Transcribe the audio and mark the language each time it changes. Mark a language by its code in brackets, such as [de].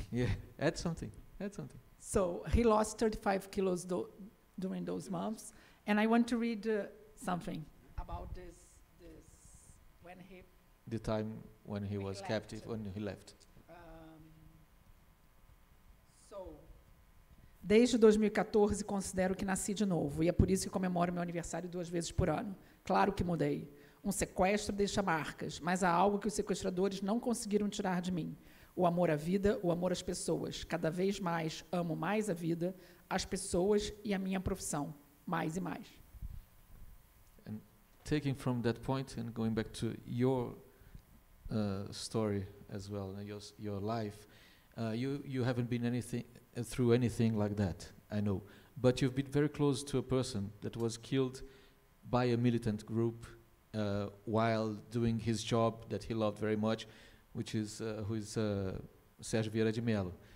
[en] Yeah, add something. So he lost 35 kilos during those months. And I want to read something about this when he... The time when he was captive, when he left. [pt] Desde 2014, considero que nasci de novo, e é por isso que comemoro meu aniversário duas vezes por ano. Claro que mudei. Um sequestro deixa marcas, mas há algo que os sequestradores não conseguiram tirar de mim. O amor à vida, o amor às pessoas. Cada vez mais, amo mais a vida, as pessoas e a minha profissão. Mais e mais. [en] And taking from that point and going back to your story as well, your life, you haven't been anything... through anything like that, I know. But you've been very close to a person that was killed by a militant group while doing his job that he loved very much, which is Sérgio Vieira de Mello.